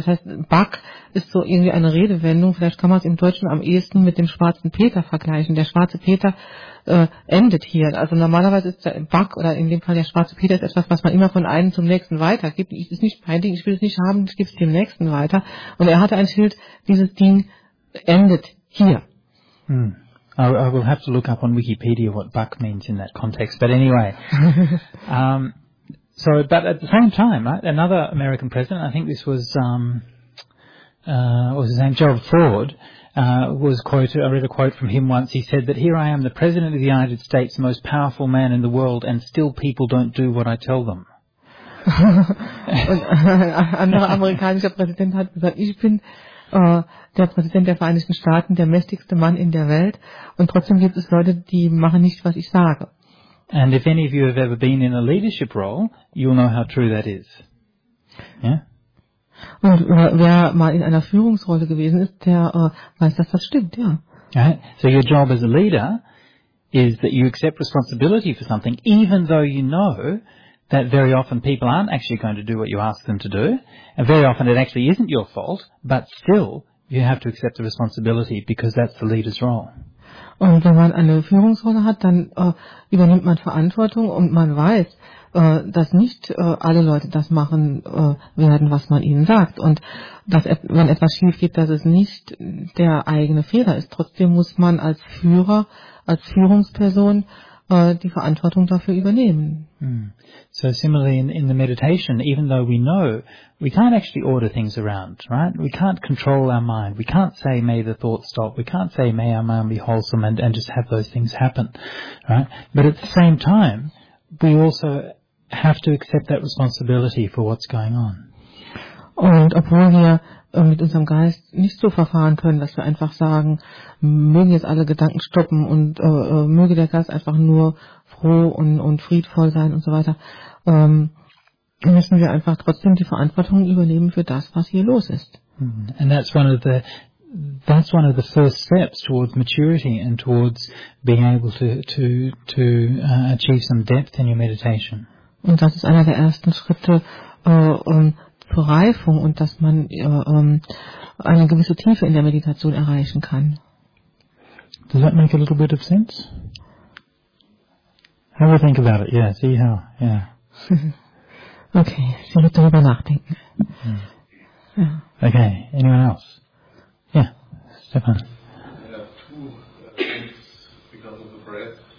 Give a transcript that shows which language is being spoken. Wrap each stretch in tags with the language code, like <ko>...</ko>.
<de>Das heißt, buck ist so irgendwie eine Redewendung. Vielleicht kann man es im Deutschen am ehesten mit dem schwarzen Peter vergleichen. Der schwarze Peter endet hier. Also normalerweise ist der buck oder in dem Fall der schwarze Peter ist etwas, was man immer von einem zum nächsten weitergibt. Es ist nicht mein Ding, ich will es nicht haben, ich gebe es dem nächsten weiter. Und er hatte ein Schild, dieses Ding endet hier.</de> <en>I will have to look up on Wikipedia what buck means in that context. But anyway... So, but at the same time, right, another American president, I think this was, what was his name, Gerald Ford, was quoted, I read a quote from him once, he said that, here I am, the president of the United States, the most powerful man in the world, and still people don't do what I tell them.</en> <de>Und ein anderer amerikanischer Präsident hat gesagt, ich bin der Präsident der Vereinigten Staaten, der mächtigste Mann in der Welt, und trotzdem gibt es Leute, die machen nicht, was ich sage.</de> <en>And if any of you have ever been in a leadership role, you'll know how true that is. Yeah?</en> <de>Und wer mal in einer Führungsrolle gewesen ist, der weiß, dass das stimmt, ja.</de> <en>Right? So your job as a leader is that you accept responsibility for something, even though you know that very often people aren't actually going to do what you ask them to do, and very often it actually isn't your fault, but still you have to accept the responsibility because that's the leader's role.</en> <de>Und wenn man eine Führungsrolle hat, dann übernimmt man Verantwortung und man weiß, dass nicht alle Leute das machen werden, was man ihnen sagt. Und dass wenn etwas schief geht, dass es nicht der eigene Fehler ist. Trotzdem muss man als Führer, als Führungsperson die Verantwortung dafür übernehmen.</de> <en>So similarly in the meditation, even though we know we can't actually order things around, right? We can't control our mind. We can't say, may the thought stop. We can't say, may our mind be wholesome and just have those things happen, right? But at the same time, we also have to accept that responsibility for what's going on.</en> <de>Und obwohl wir mit unserem Geist nicht so verfahren können, dass wir einfach sagen, mögen jetzt alle Gedanken stoppen und möge der Geist einfach nur froh und friedvoll sein und so weiter, müssen wir einfach trotzdem die Verantwortung übernehmen für das, was hier los ist.</de> <en>And that's one of the first steps towards maturity and towards being able to achieve some depth in your meditation.</en> <de>Und das ist einer der ersten Schritte zur Reifung und dass man eine gewisse Tiefe in der Meditation erreichen kann.</de> <en>Does that make a little bit of sense? Have a think about it, yeah, see how, yeah.</en> <de>Okay, sie wird darüber nachdenken.</de> <en>Yeah. Okay, anyone else? Yeah, Stefan. I have two things because of the breath.</en>